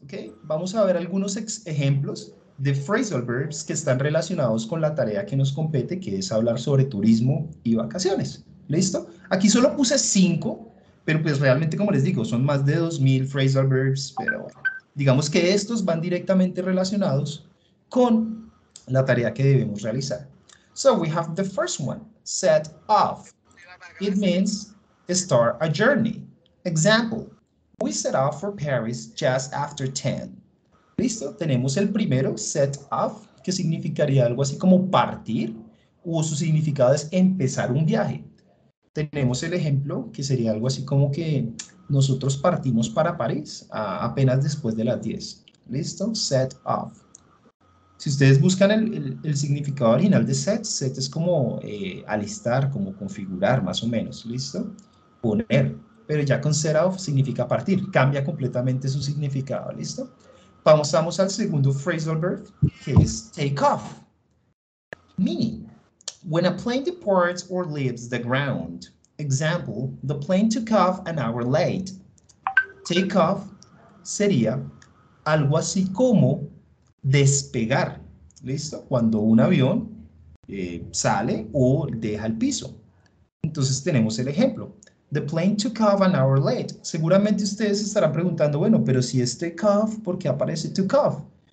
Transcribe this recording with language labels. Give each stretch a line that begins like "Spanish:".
Spanish: Okay, vamos a ver algunos ejemplos de phrasal verbs que están relacionados con la tarea que nos compete, que es hablar sobre turismo y vacaciones. ¿Listo? Aquí solo puse 5, pero pues realmente, como les digo, son más de 2,000 phrasal verbs, pero digamos que estos van directamente relacionados con la tarea que debemos realizar.
English: So we have the first one, set off. It means start a journey. Example, we set off for Paris just after 10. ¿Listo?
Spanish: Tenemos el primero, set off, que significaría algo así como partir, o su significado es empezar un viaje. Tenemos el ejemplo, que sería algo así como que nosotros partimos para París apenas después de las 10. ¿Listo? Set off. Si ustedes buscan el significado original de set, set es como alistar, como configurar, más o menos, ¿listo? Poner, pero ya con set off significa partir, cambia completamente su significado, ¿listo? Pasamos al segundo phrasal verb, que es take off.
English: Meaning, when a plane departs or leaves the ground. Example, the plane took off an hour late.
Spanish: Take off sería algo así como despegar, ¿listo? Cuando un avión sale o deja el piso. Entonces tenemos el ejemplo.
English: The plane took off an hour late.
Spanish: Seguramente ustedes estarán preguntando, bueno, pero si es take off, ¿por qué aparece took off?